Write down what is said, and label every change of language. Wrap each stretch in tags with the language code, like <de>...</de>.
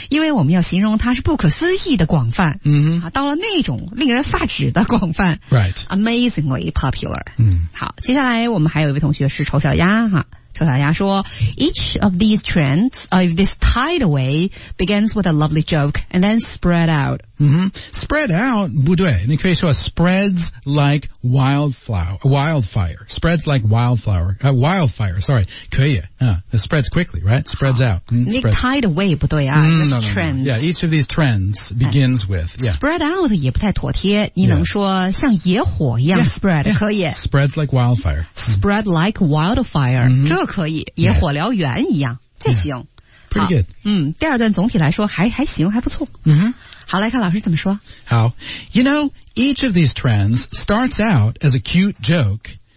<zh>因为我们要形容它是不可思议的广泛、 mm-hmm. 啊、到了那种令人发指的广泛。</zh> <en>Right. Amazingly popular.、 Mm.</en> <zh>好接下来我们还有一位同学是丑小鸭哈。丑小鸭说</zh> <en>,each of these trends, of this tidal wave, begins with a lovely joke, and then spread out.、 Mm-hmm. Spread out,</en> <zh>不对你可以说</zh> <en>spreads like wildfire. Spreads like wildfire, sorry,</en> <zh>可以、</zh> <en>it spreads quickly, right? Spreads out.、 tidal wave,</en> <zh>不对啊、</zh> <en>trends. Yeah, each of these trends begins with.、Yeah. Spread out</en> <zh>也不太妥帖你能说像野火一样 spread, 可以。</zh> <en>Spreads like wildfire. Spread like wildfire.、 Mm-hmm.</en> <zh>这可以野火燎原一样、这行</zh> <en>Pretty good</en> <zh>第二段总体来说还行还不错、 mm-hmm. 好，来看老师怎么说。好，</zh> <en>you know, each of these trends starts out as a cute joke.</en>